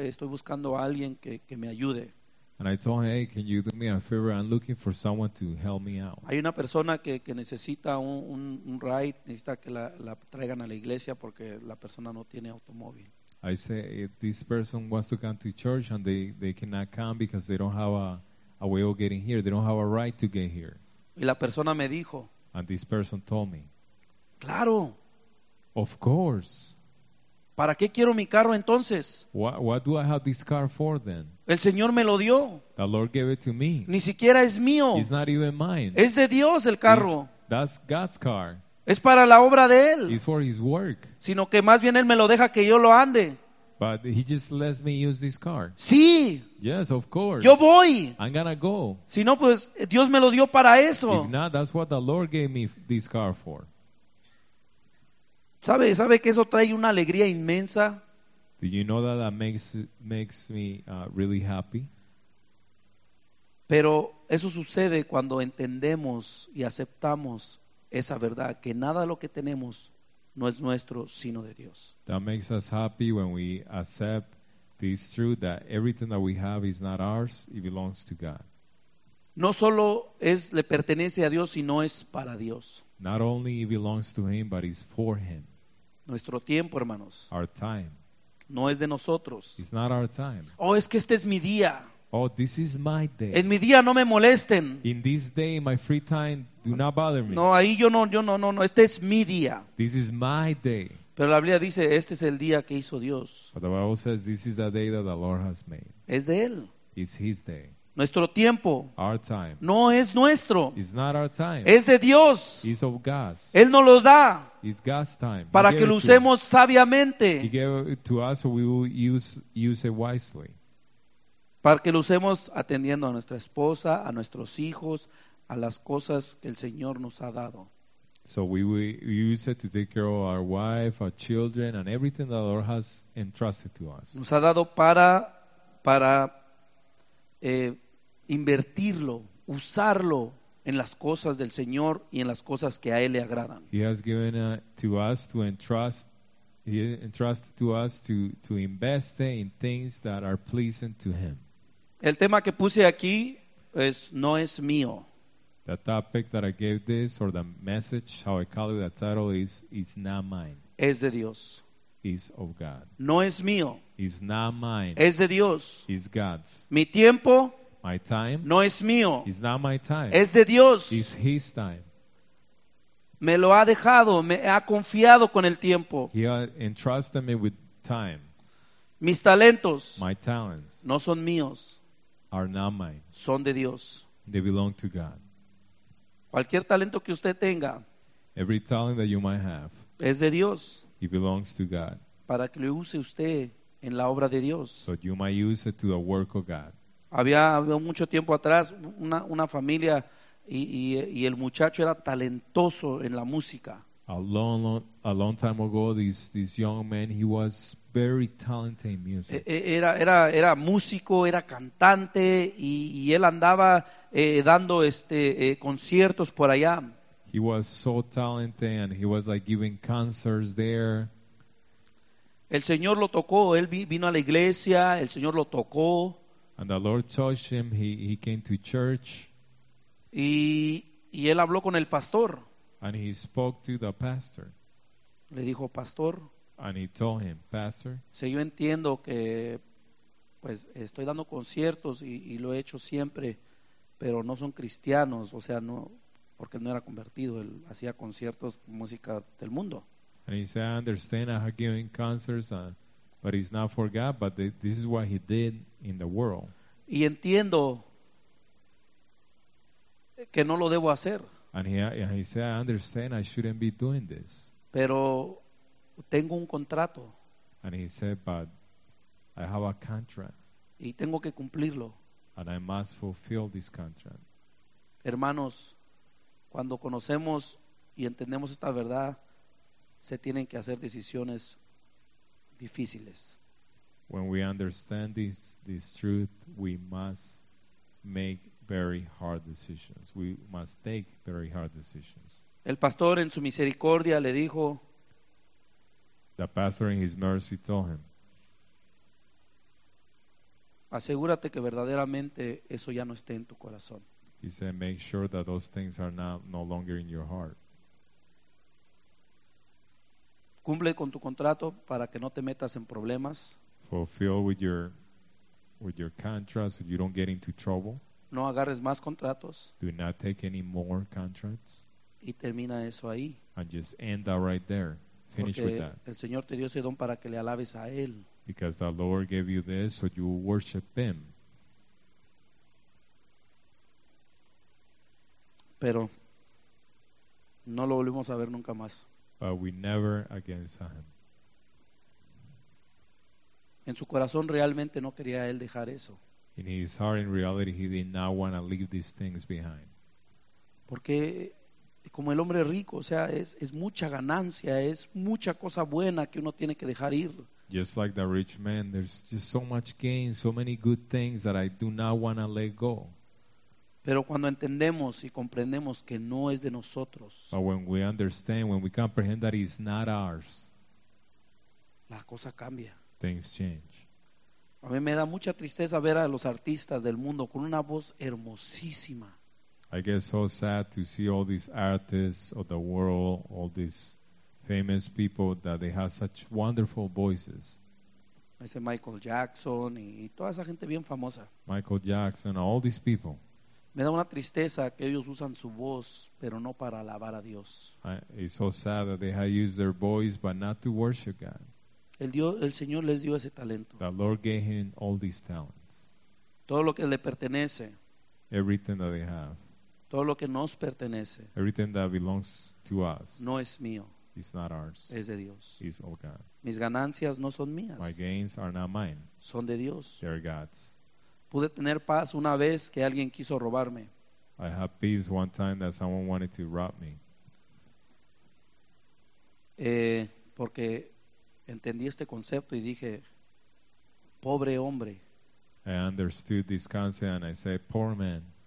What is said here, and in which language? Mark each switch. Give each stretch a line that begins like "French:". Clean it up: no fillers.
Spanish: Estoy buscando a alguien que me ayude.
English: And I told him, hey, can you do me a favor? I'm looking for someone to help me out.
Spanish: Hay una persona que necesita un ride, necesita que la traigan a la iglesia porque la persona no tiene automóvil.
English: I say, if this person wants to come to church and they cannot come because they don't have a way of getting here. They don't have a right to get here.
Spanish: Y la persona me dijo,
English: and this person told me,
Spanish: claro.
English: Of course.
Spanish: ¿Para qué quiero mi carro entonces?
English: What do I have this car for then?
Spanish: El Señor me lo dio.
English: The Lord gave it to me.
Spanish: Ni siquiera es mío.
English: It's not even mine.
Spanish: Es de Dios el carro.
English: That's God's car.
Spanish: Es para la obra de Él.
English: It's for His work.
Spanish: Sino que más bien Él me lo deja que yo lo ande.
English: But he just lets me use this car.
Spanish: Sí.
English: Yes, of course.
Spanish: Yo voy.
English: I'm going to go.
Spanish: Si no, pues Dios me lo dio para eso.
English: If not, that's what the Lord gave me this car for.
Spanish: ¿Sabe que eso trae una alegría inmensa?
English: Do you know that makes me really happy?
Spanish: Pero eso sucede cuando entendemos y aceptamos esa verdad, que nada lo que tenemos no es nuestro, sino de Dios.
English: That makes us happy when we accept this truth that everything that we have is not ours, it belongs to God.
Spanish: No solo le pertenece a Dios, sino es para Dios.
English: Not only it belongs to Him, but it's for Him.
Spanish: Nuestro tiempo, hermanos.
English: Our time.
Spanish: No es de nosotros.
English: It's not our time.
Spanish: Oh, es que este es mi día.
English: Oh, this is my day.
Spanish: En mi día no me molesten.
English: In this day, my free time, do not bother me.
Spanish: No, ahí yo no. Este es mi día.
English: This is my day.
Spanish: Pero la Biblia dice, este es el día que hizo Dios.
English: But the Bible says, this is the day that the Lord has made.
Spanish: Es de Él.
English: It's His day.
Spanish: Nuestro tiempo.
English: Our time.
Spanish: No es nuestro.
English: It's not our time.
Spanish: Es de Dios.
English: It's of God.
Spanish: Él nos lo da.
English: It's God's time.
Spanish: Para que lo usemos sabiamente.
English: He gave it to us so we will use it wisely.
Spanish: Para que lo usemos atendiendo a nuestra esposa, a nuestros hijos, a las cosas que el Señor nos ha dado.
English: So we use it to take care of our wife, our children, and everything that the Lord has entrusted to us.
Spanish: Nos ha dado para invertirlo, usarlo en las cosas del Señor y en las cosas que a Él le agradan.
English: He has given to us to entrust. He entrusted to us to invest in things that are pleasing to Him.
Spanish: El tema que puse aquí es no es mío.
English: The topic that I gave this, or the message, how I call it, the title is not mine.
Spanish: Es de Dios.
English: Is of God.
Spanish: No es mío.
English: Is not mine.
Spanish: Es de Dios.
English: Is God's.
Spanish: Mi tiempo.
English: My time.
Spanish: No es mío.
English: Is not my time.
Spanish: Es de Dios.
English: Is His time.
Spanish: Me lo ha dejado, me ha confiado con el tiempo.
English: He entrusted me with time.
Spanish: Mis talentos.
English: My talents.
Spanish: No son míos.
English: Are not mine.
Spanish: Son de Dios.
English: They belong to God.
Spanish: Cualquier talento que usted tenga.
English: Every talent that you might have.
Spanish: Es de Dios.
English: It belongs to God.
Spanish: Para que lo use usted en la obra de Dios.
English: So you might use it to the work of God.
Spanish: Había mucho tiempo atrás una familia. Y el muchacho era talentoso en la música.
English: A long time ago, this young man, he was very talented in music.
Spanish: Era músico, era cantante, y él andaba dando conciertos por allá.
English: He was so talented, and he was like giving concerts there.
Spanish: El Señor lo tocó. Él vino a la iglesia. El Señor lo tocó.
English: And the Lord touched him. He came to church.
Spanish: Y él habló con el pastor.
English: And he spoke to the pastor.
Spanish: Le dijo, pastor.
English: And he told him, pastor.
Spanish: Si yo entiendo que, pues, estoy dando conciertos y lo he hecho siempre, pero no son cristianos, o sea, no, porque él no era convertido, él hacía conciertos con música del mundo.
English: And he said, I understand, I have given concerts, but it's not for God, but this is what he did in the world.
Spanish: Y entiendo que no lo debo hacer.
English: And he said, I understand I shouldn't be doing this.
Spanish: Pero tengo un contrato.
English: And he said, but I have a contract.
Spanish: Y tengo que cumplirlo.
English: And I must fulfill this contract.
Spanish: Hermanos, cuando conocemos y entendemos esta verdad, se tienen que hacer decisiones difíciles.
English: When we understand this truth, we must make very hard decisions. We must take very hard decisions.
Spanish: El pastor en su misericordia le dijo,
English: the pastor in his mercy told him,
Spanish: asegúrate que verdaderamente eso ya no esté en tu corazón.
English: He said, make sure that those things are no longer in your heart.
Spanish: Cumple con tu contrato para que no te metas en problemas.
English: Fulfill with your contract so you don't get into trouble.
Spanish: No agarres más contratos.
English: Do not take any more contracts.
Spanish: Y termina eso ahí.
English: And just end that right there. Finish
Spanish: Porque
English: with that.
Spanish: El Señor te dio ese don para que le alabes a Él.
English: Because the Lord gave you this, so you worship Him.
Spanish: Pero no lo volvimos a ver nunca más.
English: But we never again saw Him.
Spanish: En su corazón realmente no quería Él dejar eso.
English: In his heart, in reality, he did not want to leave these things behind.
Spanish: Porque como el hombre rico, o sea, es mucha ganancia, es mucha cosa buena que uno tiene que dejar ir.
English: Just like the rich man, there's just so much gain, so many good things that I do not want to let go.
Spanish: Pero cuando entendemos y comprendemos que no es de nosotros.
English: But when we understand, when we comprehend that it's not ours.
Spanish: La cosa cambia.
English: Things change.
Spanish: A mí me da mucha tristeza ver a los artistas del mundo con una voz hermosísima.
English: I get so sad to see all these artists of the world, all these famous people that they have such wonderful voices.
Spanish: Ese Michael Jackson y toda esa gente bien famosa.
English: Michael Jackson, all these people.
Spanish: Me da una tristeza que ellos usan su voz, pero no para alabar a Dios.
English: It's so sad that they have used their voice, but not to worship God.
Spanish: El Señor les dio ese talento.
English: The Lord gave him all these talents.
Spanish: Todo lo que le pertenece.
English: Everything that they have.
Spanish: Todo lo que nos pertenece.
English: Everything that belongs to us.
Spanish: No es mío.
English: It's not ours.
Spanish: Es de Dios.
English: It's of God.
Spanish: Mis ganancias no son mías.
English: My gains are not mine.
Spanish: Son de Dios.
English: They are God's.
Spanish: Pude tener paz una vez que alguien quiso robarme.
English: I had peace one time that someone wanted to rob me.
Spanish: Porque entendí este concepto y dije, pobre hombre.
English: I understood this concept and I said, poor man.